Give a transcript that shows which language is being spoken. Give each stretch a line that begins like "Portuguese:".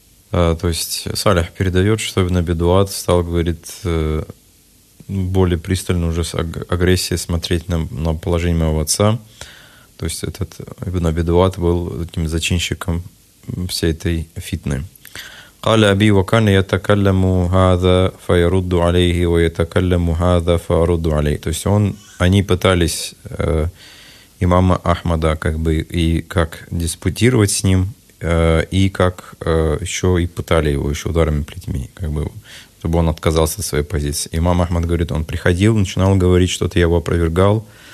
Russian: То есть салих передает, что бна бидуат стал, говорит, более пристально уже с агрессией смотреть на положение моего отца. То есть этот ибн Аби Дуат был таким зачинщиком всей этой фитны.
Arabic: قال ابي وكان يتكلم هذا فيرد عليه ويتكلم هذا فارد عليه.
Russian: То есть они пытались имама Ахмада как бы и как диспутировать с ним, и как еще и пытали его еще ударами плетьми, как бы, чтобы он отказался от своей позиции. Имам Ахмад говорит, он приходил, начинал говорить что-то, я его опровергал.